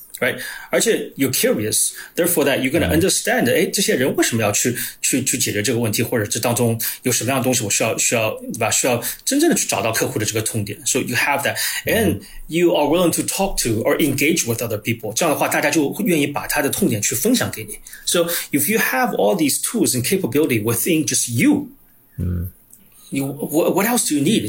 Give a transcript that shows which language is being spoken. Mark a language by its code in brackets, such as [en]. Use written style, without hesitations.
[en] Right, [zh] 而且 [en] you're curious, therefore that you're going to understand, [zh] 哎，这些人为什么要去解决这个问题，或者这当中有什么样的东西我需要对吧？需要真正的去找到客户的这个痛点。 [en] So you have that, and you are willing to talk to or engage with other people. [zh] 这样的话，大家就会愿意把他的痛点去分享给你。 [en] So if you have all these tools and capability within just you, what else do you need?